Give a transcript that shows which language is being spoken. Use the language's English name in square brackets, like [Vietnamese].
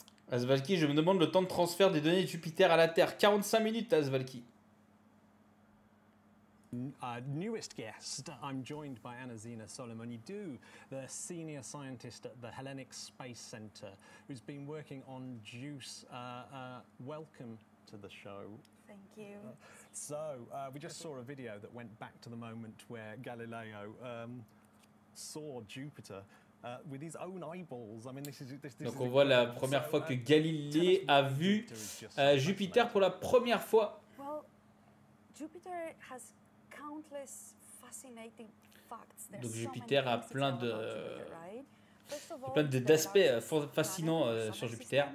[French] Asvalki, je me demande le temps de transfert des données de Jupiter à la Terre. 45 minutes, Asvalki. [English] Newest guest, I'm joined by Anna-Zina Solomonidou, the senior scientist at the Hellenic Space Center, who's been working on JUICE. Welcome to the show. Thank you. We just saw a video that went back to the moment where Galileo saw Jupiter. With his own eyeballs. I mean, this [French] Donc on voit la première fois que Galilée a vu Jupiter pour la première fois. [English] Well, Jupiter has countless fascinating facts. [French] Donc Jupiter a plein de d'aspects fascinants sur Jupiter.